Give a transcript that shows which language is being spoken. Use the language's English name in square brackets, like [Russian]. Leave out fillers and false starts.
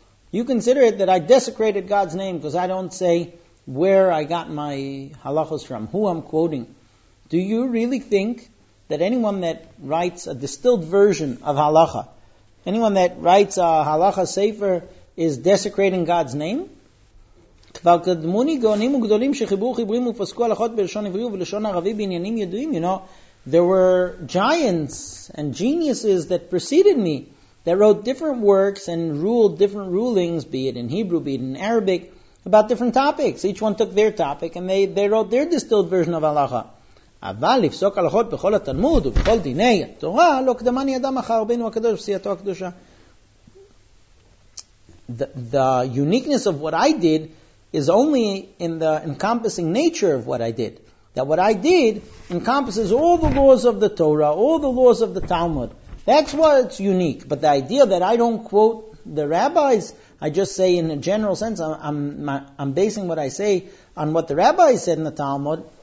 [English] You consider it that I desecrated God's name because I don't say where I got my halachos from, who I'm quoting. Do you really think that anyone that writes a distilled version of halacha, anyone that writes a halacha sefer, is desecrating God's name? [Hebrew] כבר קדמוני גאונים וגדולים שחיברו חיברים ופסקו הלכות בלשון עברי ובלשון ערבי בעניינים ידועים, [English] you know. There were giants and geniuses that preceded me that wrote different works and ruled different rulings, be it in Hebrew, be it in Arabic, about different topics. Each one took their topic and they wrote their distilled version of halacha. [Hebrew] אבל לפסוק הלכות בכל התלמוד ובכל דיני התורה לא קדמני אדם אחר רבינו הקדוש ופסיעתו הקדושה. [English] The uniqueness of what I did is only in the encompassing nature of what I did. That what I did encompasses all the laws of the Torah, all the laws of the Talmud. That's what's unique. But the idea that I don't quote the rabbis, I just say in a general sense, I'm basing what I say on what the rabbis said in the Talmud.